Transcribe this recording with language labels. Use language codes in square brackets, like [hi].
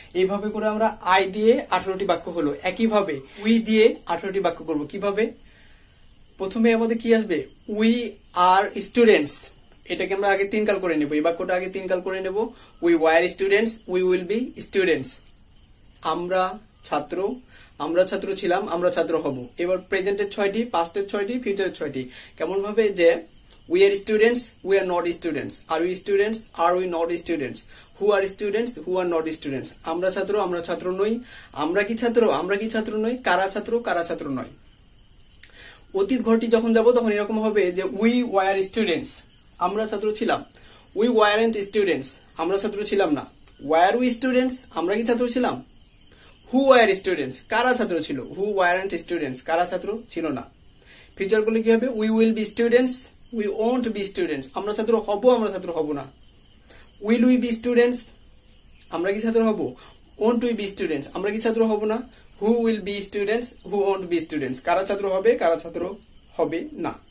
[bn] এইভাবে করে আমরা আই দিয়ে 18টি বাক্য হলো, একইভাবে উই দিয়ে 18টি বাক্য করবো। কিভাবে, প্রথমে আমাদের কি আসবে, [en] we are students, [bn] এটাকে আমরা আগে তিন কাল করে নেবো, এই বাক্যটা আগে তিন কাল করে নেবো, [en] we were students, we will be students, [bn] আমরা ছাত্র, আমরা ছাত্র ছিলাম, আমরা ছাত্র হব। এবার প্রেজেন্টের ছয়টি, পাস্টের ছয়টি, ফিউচারের ছয়টি, কেমন ভাবে, যে [en] we are students, we are not students, are we students, are we not students, who are students, who are not students, [bn] amra chhatro, amra chhatro noi, amra ki chhatro noi, kara chhatro noi। অতীত ঘটি যখন যাব তখন এরকম হবে যে [en] we were students, [bn] আমরা ছাত্র ছিলাম, [en] we weren't students, [bn] আমরা ছাত্র ছিলাম না, [en] were we students, [bn] আমরা কি ছাত্র ছিলাম, [en] who were students, [bn] কারা ছাত্র ছিল, [en] who weren't students, [bn] কারা ছাত্র ছিল না। ফিউচারগুলো কি হবে, [en] we will be students, we won't be students, [bn] আমরা ছাত্র হব, আমরা ছাত্র হব না, [en] will we be students, [bn] আমরা কি ছাত্র হব, [en] won't we be students, [bn] আমরা কি ছাত্র হব না, [en] who will be students, who won't be students, [bn] কারা ছাত্র হবে, কারা ছাত্র হবে না।